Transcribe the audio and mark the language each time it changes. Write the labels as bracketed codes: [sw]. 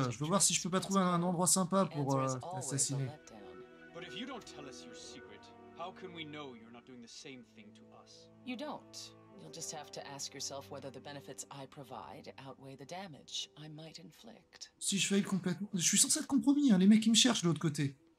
[fr] Je veux voir si je peux pas trouver un endroit sympa pour t'assassiner. [en] But if you don't tell us your secret, how can we know you're not doing the same thing to us? You don't. You'll just have to ask yourself whether the benefits I provide outweigh the damage I might inflict. [fr] Si je faillis complètement, je suis censé être compromis. Hein, les mecs ils me cherchent de l'autre côté.